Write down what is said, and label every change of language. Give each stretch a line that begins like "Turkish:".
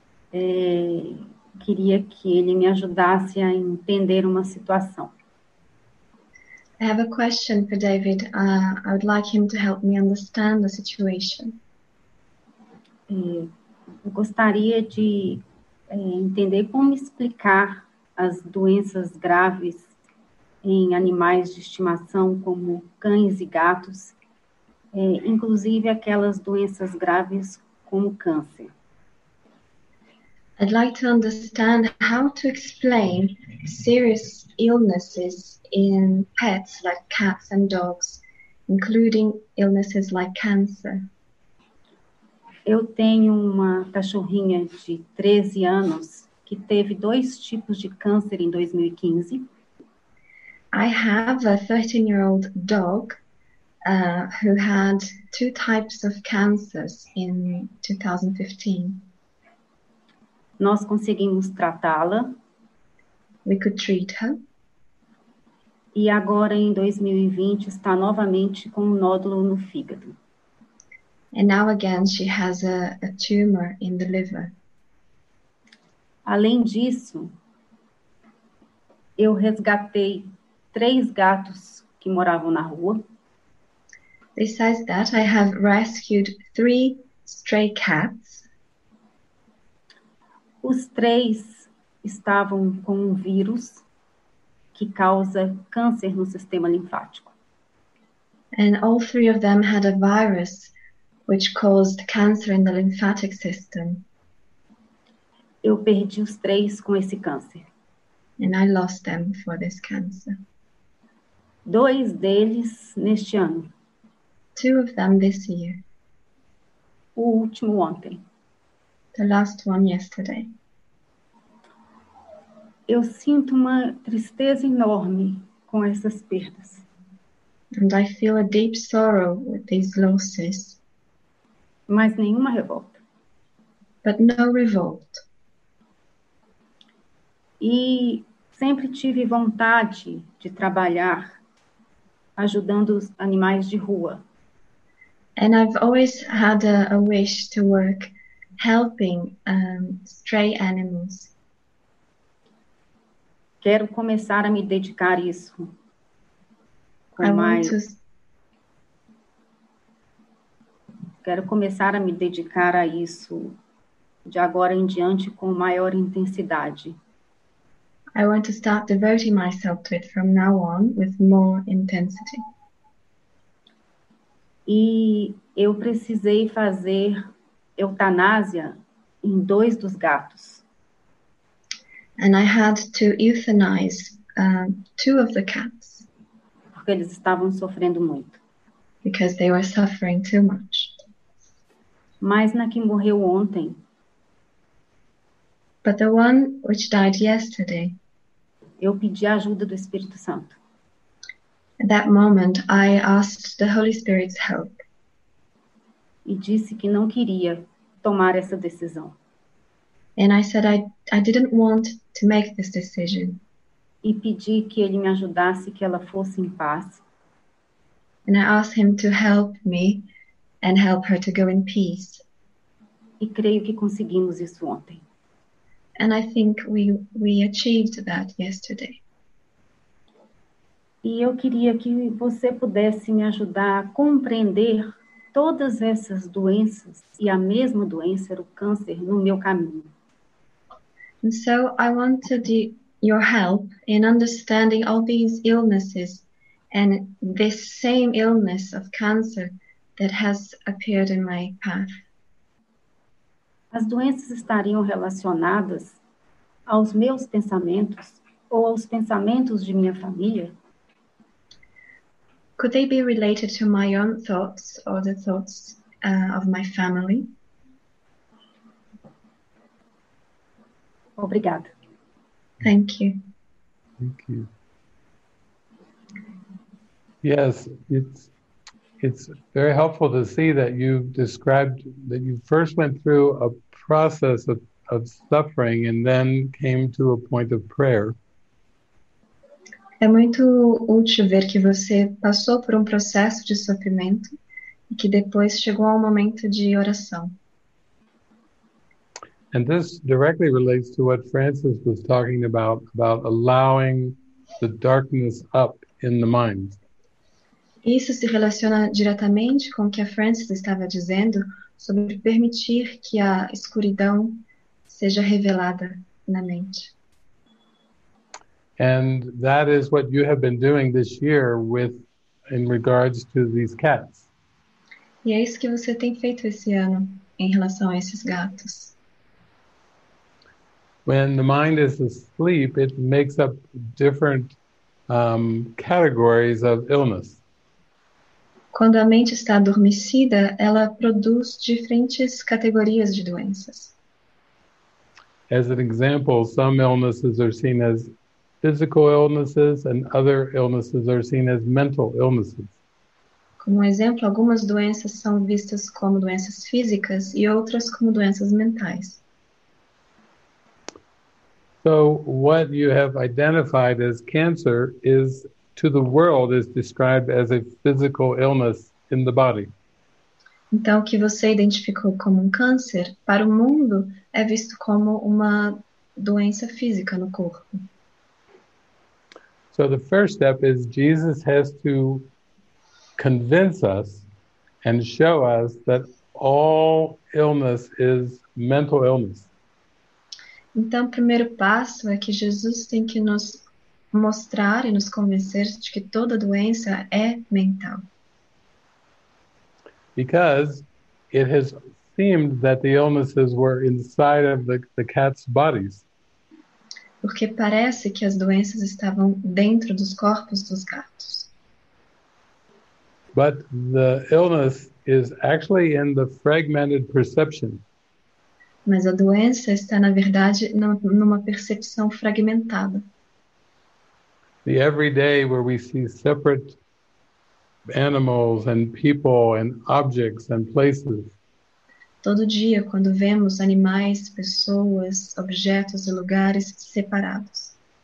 Portuguese: Queria que ele me ajudasse a entender uma situação.
English: I have a question for David. I would like him to help me understand the situation.
Portuguese: Eu gostaria de entender como explicar as doenças graves em animais de estimação, como cães e gatos, inclusive aquelas doenças graves como câncer.
English: I'd like to understand how to explain serious illnesses in pets like cats and dogs, including illnesses like cancer.
Portuguese: Eu tenho uma cachorrinha de 13 anos que teve dois tipos de câncer em 2015.
English: I have a 13-year-old dog who had two types of cancers in 2015.
Portuguese: Nós conseguimos tratá-la.
English: We could treat her.
Portuguese: E agora, em 2020, está novamente com um nódulo no fígado.
English: And now again, she has a tumor in the liver.
Portuguese: Além disso, eu resgatei três gatos que moravam na rua.
English: Besides that, I have rescued three stray cats.
Portuguese: Os três estavam com um vírus que causa câncer no sistema linfático.
English: And all three of them had a virus which caused cancer in the lymphatic system.
Portuguese: Eu perdi os três com esse câncer.
English: And I lost them for this cancer.
Portuguese: Dois deles neste ano.
English: Two of them this year.
Portuguese: O último ontem.
English: The last one yesterday.
Portuguese: Eu sinto uma tristeza enorme com essas perdas.
English: And I feel a deep sorrow with these losses.
Portuguese: Mas nenhuma revolta.
English: But no revolt.
Portuguese: E sempre tive vontade de trabalhar ajudando os animais de rua.
English: And I've always had a wish to work helping stray animals.
Portuguese: Quero começar a me dedicar a isso. Quero começar a me dedicar a isso de agora em diante com maior intensidade.
English: I want to start devoting myself to it from now on with more intensity.
Portuguese: E eu precisei fazer eutanásia em dois dos gatos.
English: And I had to euthanize two of the cats.
Portuguese: Porque eles estavam sofrendo muito.
English: Because they were suffering too much.
Portuguese: Mas na que morreu ontem.
English: But the one which died yesterday.
Portuguese: Eu pedi ajuda do Espírito Santo.
English: At that moment, I asked the Holy Spirit's help.
Portuguese: E disse que não queria tomar essa decisão.
English: And I said I didn't want to make this decision.
Portuguese: E pedi que ele me ajudasse que ela fosse em paz.
English: And I asked him to help me and help her to go in peace.
Portuguese: E creio que conseguimos isso ontem.
English: And I think we achieved that yesterday.
Portuguese: E eu queria que você pudesse me ajudar a compreender todas essas doenças e a mesma doença, o câncer, no meu caminho.
English: And so I wanted your help in understanding all these illnesses and this same illness of cancer that has appeared in my path.
Portuguese: As doenças estariam relacionadas aos meus pensamentos ou aos pensamentos de minha família?
English: Could they be related to my own thoughts or the thoughts of my family?
Portuguese: Obrigada.
English: Thank you. Thank you. Yes, it's very helpful to see that you described that you first went through a process of suffering and then came to a point of prayer.
Portuguese: É muito útil ver que você passou por um processo de sofrimento e que depois chegou ao momento de oração.
English: And this directly relates to what Francis was talking about allowing the darkness up in the mind.
Portuguese: Isso se relaciona diretamente com o que a Francis estava dizendo sobre permitir que a escuridão seja revelada na mente.
English: And that is what you have been doing this year with, in regards to these cats.
Portuguese: E é isso que você tem feito esse ano em relação a esses gatos.
English: When the mind is asleep, it makes up different categories of illness.
Portuguese: Quando a mente está adormecida, ela produz diferentes categorias de doenças.
English: As an example, some illnesses are seen as physical illnesses and other illnesses are seen as mental illnesses.
Portuguese: Como exemplo, algumas doenças são vistas como doenças físicas e outras como doenças mentais.
English: So what you have identified as cancer is to the world is described as a physical illness in the body.
Portuguese: Então o que você identificou como um câncer para o mundo é visto como uma doença física no corpo.
English: So the first step is Jesus has to convince us and show us that all illness is mental illness.
Portuguese: Então, o primeiro passo é que Jesus tem que nos mostrar e nos convencer de que toda doença é mental.
English: Because it has seemed that the illnesses were inside of the cat's bodies.
Portuguese: Porque parece que as doenças estavam dentro dos corpos dos gatos.
English: But the illness is actually in the fragmented perception.
Portuguese: Mas a doença está, na verdade, numa percepção fragmentada.
English: The everyday where we see separate animals and people and objects and places.
Portuguese: Todo dia, quando vemos animais, pessoas, objetos e lugares separados.